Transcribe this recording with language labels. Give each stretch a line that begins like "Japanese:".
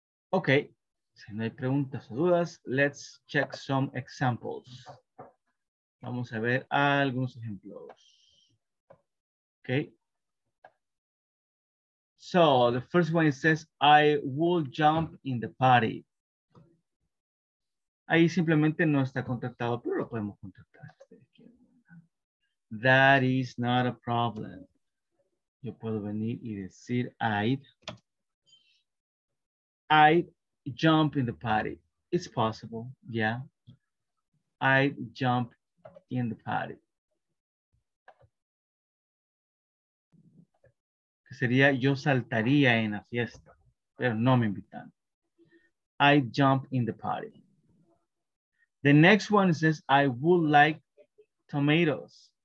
Spanish: Ok, si no hay preguntas o dudas, let's check some examples. Vamos a ver algunos ejemplos. Ok.
English: So, the first one says, I would jump in the party.
Spanish: Ahí simplemente no está contactado, pero lo podemos contactar.
English: That is not a problem. Yo puedo venir y decir, I'd jump in the party. It's possible, yeah. I'd jump in the party.
Spanish: Que sería, yo saltaría en la fiesta, pero no me invitan.
English: I'd jump in the party. The next one says, I would like tomatoes.